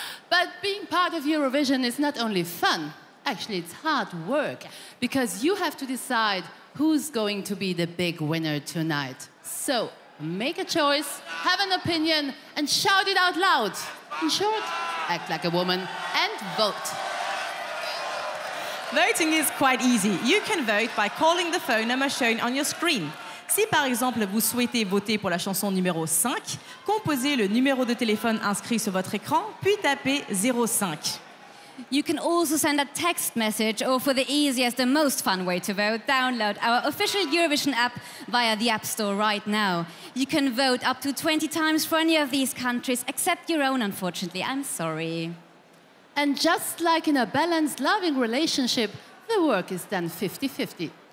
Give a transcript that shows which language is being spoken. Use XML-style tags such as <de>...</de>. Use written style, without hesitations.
<en>But being part of Eurovision is not only fun. Actually, it's hard work because you have to decide who's going to be the big winner tonight. So, make a choice, have an opinion, and shout it out loud. In short, act like a woman and vote. Voting is quite easy. You can vote by calling the phone number shown on your screen.</en> <fr>Si par exemple vous souhaitez voter pour la chanson numéro 5, composez le numéro de téléphone inscrit sur votre écran, puis tapez 05.</fr> <en>You can also send a text message, or for the easiest and most fun way to vote, download our official Eurovision app via the App Store right now. You can vote up to 20 times for any of these countries, except your own, unfortunately. I'm sorry. And just like in a balanced, loving relationship, the work is done 50-50.</en>